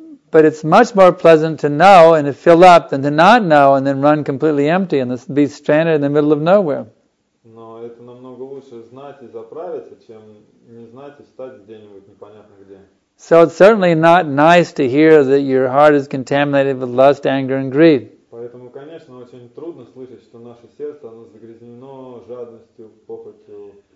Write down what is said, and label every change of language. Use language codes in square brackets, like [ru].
[en] But it's much more pleasant to know and to fill up than to not know and then run completely empty and be stranded in the middle of nowhere. [ru] Но это намного лучше знать и заправиться, чем не знать и стать где-нибудь непонятно где. [en] So it's certainly not nice to hear that your heart is contaminated with lust, anger, and greed. [ru] Поэтому, конечно, очень трудно слышать, что наше сердце оно загрязнено жадностью, похотью.